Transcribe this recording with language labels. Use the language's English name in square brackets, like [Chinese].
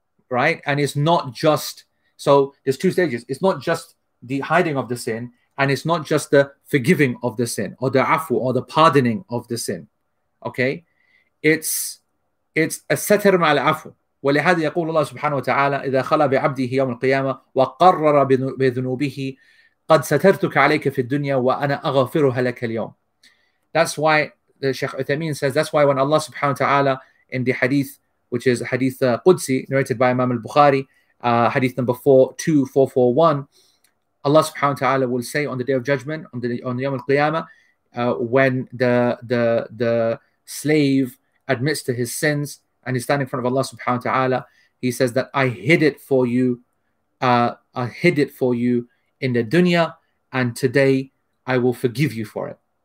[English] Right? And it's not just, so there's two stages. It's not just the hiding of the sin, and it's not just the forgiving of the sin or the afu or the pardoning of the sin. Okay? It's a [Arabic] satir ma'al afu. ولهذا يقول الله سبحانه وتعالى إذا خلى بعبده يوم القيامة وقرر بذنوبه قد سترتك عليك في الدنيا وأنا أغفرها لك اليوم. [English] That's why the Sheikh Uthaymeen says, that's why when Allah [Arabic] سبحانه وتعالى [English] in the hadith, which is hadith Qudsi narrated by Imam al-Bukhari, hadith number 42441, Allah سبحانه وتعالى will say on the day of judgment, on يوم القيامة, when the slave admits to his sins and he's standing in front of Allah subhanahu wa ta'ala, he says that I hid it for you, I hid it for you in the dunya, and today I will forgive you for it.